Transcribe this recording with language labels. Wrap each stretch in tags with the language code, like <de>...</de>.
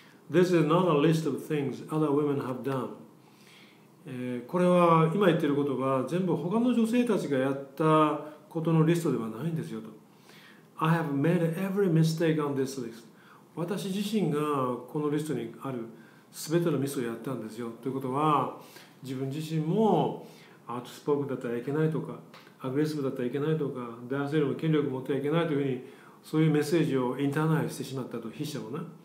<en>This is not a list of things other women have done。</en> <ja>これは今言ってることは全部他の女性たちがやったことのリストではないんですよと。</ja> <en>I have made every mistake on this list。</en> <ja>私自身がこのリストにある全てのミスをやったんですよということは、自分自身もアウトスポークだったらいけないとか、アグレッシブだったらいけないとか、男性も権力を持ってはいけないというふうに、そういうメッセージをインターナイズしてしまったと、筆者もね。</ja>